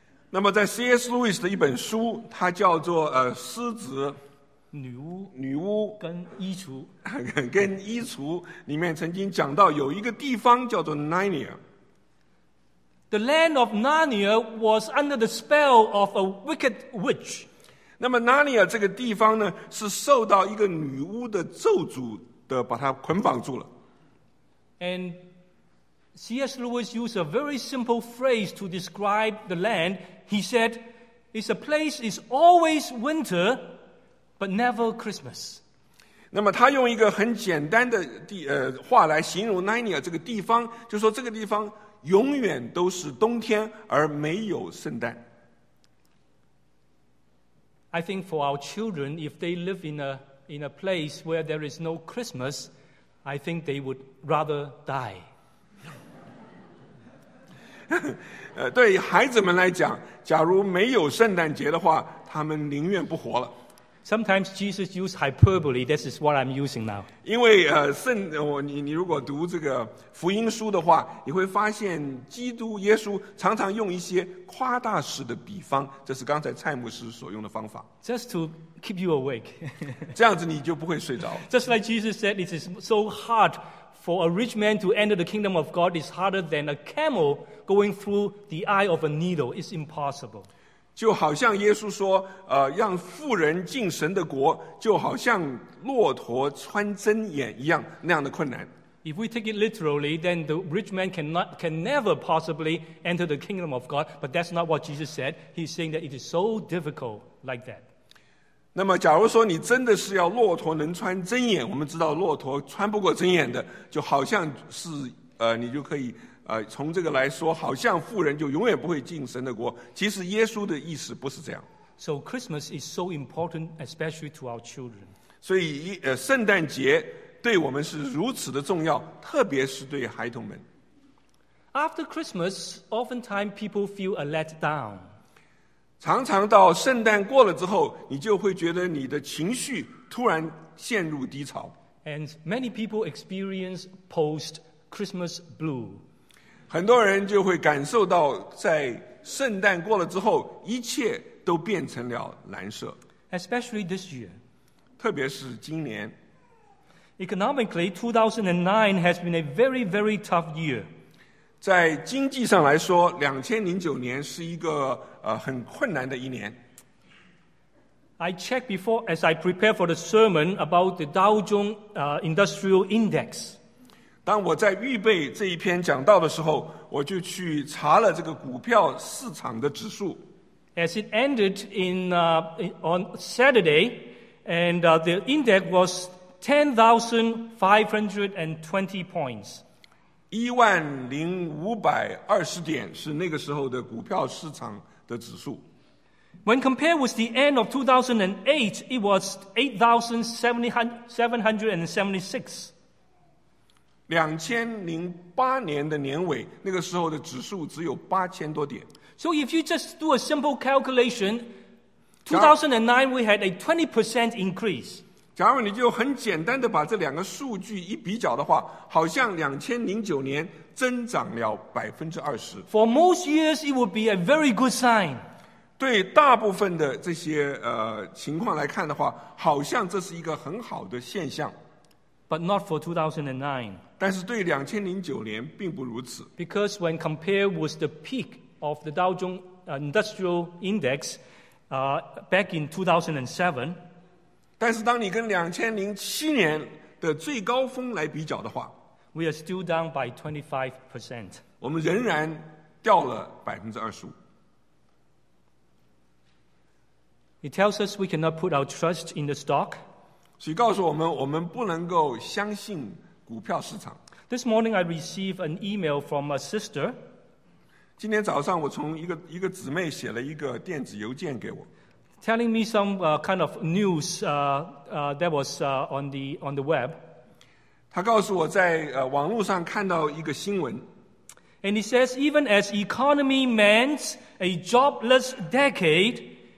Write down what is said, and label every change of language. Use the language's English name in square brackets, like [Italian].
[Chinese] 那么在 C.S. Lewis 的一本书，它叫做狮子、女巫跟衣橱，跟衣橱里面曾经讲到有一个地方叫做 Narnia。 [English] The land of Narnia was under the spell of a wicked witch。 [Chinese] 那么 Narnia 这个地方呢，是受到一个女巫的咒诅的，把它捆绑住了。 [English] And C.S. Lewis used a very simple phrase to describe the land. He said, it's a place is always winter, but never Christmas. [Chinese] 那么他用一个很简单的话来形容 Narnia 这个地方，就说这个地方永远都是冬天而没有圣诞。 [English] I think for our children, if they live in a place where there is no Christmas, I think they would rather die. [Chinese] 对孩子们来讲，假如没有圣诞节的话，他们宁愿不活了。 [English] Sometimes Jesus used hyperbole. This is what I'm using now. [Chinese] 因为你如果读这个福音书的话，你会发现基督耶稣常常用一些夸大式的比方，这是刚才蔡牧师所用的方法。 [English] Just to keep you awake. [Chinese] 这样子你就不会睡着。 [English] Just like Jesus said, it is so hard. For a rich man to enter the kingdom of God is harder than a camel going through the eye of a needle. It's impossible. [Chinese] 就好像耶稣说，让富人进神的国，就好像骆驼穿针眼一样，那样的困难。 [English] If we take it literally, then the rich man can never possibly enter the kingdom of God. But that's not what Jesus said. He's saying that it is so difficult like that. [Chinese] 那么假如说你真的是要骆驼能穿针眼，我们知道骆驼穿不过针眼的，就好像是你就可以从这个来说，好像富人就永远不会进神的国。其实耶稣的意思不是这样。 [English] So Christmas is so important, especially to our children. [Chinese] 所以圣诞节对我们是如此的重要，特别是对孩童们。 [English] After Christmas, oftentimes people feel a let down. [Chinese] 常常到圣诞过了之后，你就会觉得你的情绪突然陷入低潮。 [English] And many people experience post-Christmas blue. [Chinese] 很多人就会感受到在圣诞过了之后，一切都变成了蓝色。 [English] Especially this year. [Chinese] 特别是今年。 [English] Economically, 2009 has been a very, very tough year. [Chinese] 在经济上来说2009年是一个很困难的一年。 [English] I checked before as I prepare for the sermon about the Dow Jones Industrial Index. [Chinese] 当我在预备这一篇讲道的时候，我就去查了这个股票市场的指数。 [English] As it ended on Saturday and the index was 10,520 points. [Chinese] 10,520点是那个时候的股票市场的指数。 [English] When compared with the end of 2008, it was 8,776. [Chinese] 2008年的年尾，那个时候的指数只有8000多点。 [English] So if you just do a simple calculation, 2009 we had a 20% increase. [Chinese] 假如你就很简单的把这两个数据一比较的话，好像2009年增长了20%。 [English] For most years, it would be a very good sign. [Chinese] 对大部分的这些情况来看的话，好像这是一个很好的现象。 [English] But not for 2009. [Chinese] 但是对2009年并不如此。 [English] Because when compared with the peak of the Dow Jones Industrial Index, back in 2007, [Chinese] 但是当你跟2007年的最高峰来比较的话， [English] we are still down by 25%. [Chinese] 我们仍然掉了25%。 [English] It tells us we cannot put our trust in the stock. [Chinese] 所以告诉我们，我们不能够相信股票市场。 [English] This morning I received an email from a sister. [Chinese] 今天早上我从一个姊妹写了一个电子邮件给我。 [English] Telling me some kind of news that was on the web. [Chinese] 他告诉我在网络上看到一个新闻。 [English] And he says even as economy mends a jobless decade.